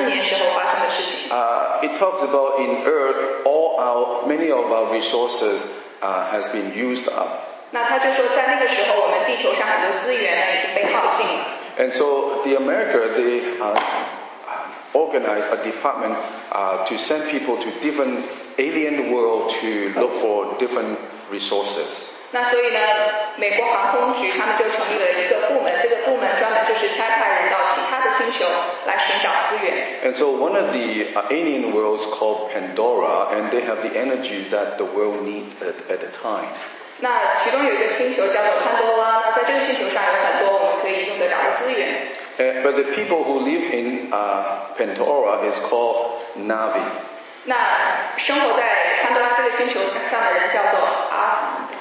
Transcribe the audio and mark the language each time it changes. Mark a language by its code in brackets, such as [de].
[en] It talks about in Earth, many of our resources has been used up. [zh] 那他就说在那个时候，我们地球上很多资源已经被耗尽了。 [en] And so the America, they organized a department to send people to different alien world to look for different resources. [zh] 那所以呢，美国航空局他们就成立了一个部门，这个部门专门就是差派人到其他的星球来寻找资源。 [en] And so one of the alien worlds called Pandora, and they have the energy that the world needs at the time. [zh] 那其中有一个星球叫做潘多拉，那在这个星球上有很多我们可以用得着的资源。 [en] But the people who live in Pandora is called Navi. [zh] 那生活在潘多拉这个星球上的人叫做阿。